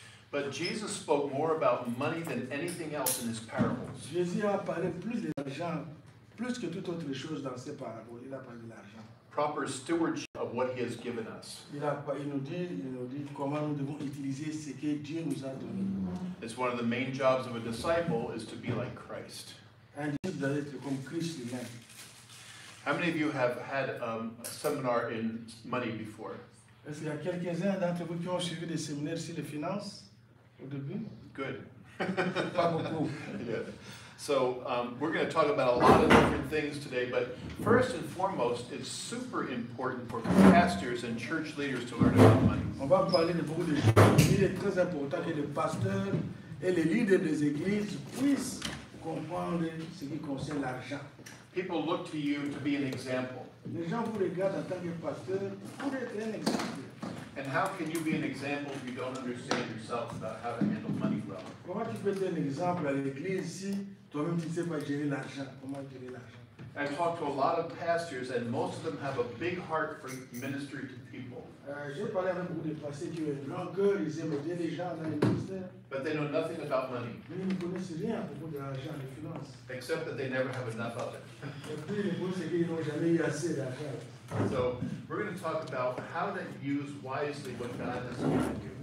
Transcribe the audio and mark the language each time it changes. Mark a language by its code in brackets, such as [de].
[en] But Jesus spoke more about money than anything else in his parables. [fr] Jésus a parlé plus de l'argent, plus que toute autre chose dans ses paraboles. Il a parlé de l'argent. [en] Proper stewardship of what he has given us. [fr] Il nous dit comment nous devons utiliser ce que Dieu nous a donné. [en] It's one of the main jobs of a disciple is to be like Christ. [fr] Un disciple doit être comme Christ lui-même. [en] How many of you have had a seminar in money before? [fr] Est-ce qu'il y a quelques-uns d'entre vous qui ont suivi des séminaires sur les finances au début? [en] Good. [fr] Pas beaucoup. [en] Yeah. So we're going to talk about a lot of different things today, but first and foremost, it's super important for pastors and church leaders to learn about money. [fr] On va parler de beaucoup de choses. Il est très important que les pasteurs et les leaders des églises puissent comprendre ce qui concerne l'argent. [en] People look to you to be an example. [fr] Les gens vous regardent en tant que pasteur pour être un exemple. [en] And how can you be an example if you don't understand yourself about how to handle money well? [fr] Comment tu peux être un exemple à l'église si toi-même tu ne sais pas gérer l'argent? Comment gérer l'argent? [en] I talk to a lot of pastors, and most of them have a big heart for ministry to people. [fr] J'ai parlé avec beaucoup de pasteurs qui ont un grand cœur, ils aiment bien les gens dans les ministères. [en] But they know nothing about money. [fr] Mais ils ne connaissent rien à propos de l'argent, des finances. [en] Except that they never have enough of it. [fr] Et puis le problème c'est qu'ils n'ont jamais eu assez d'argent. [en] So we're going to talk about how to use wisely what God has given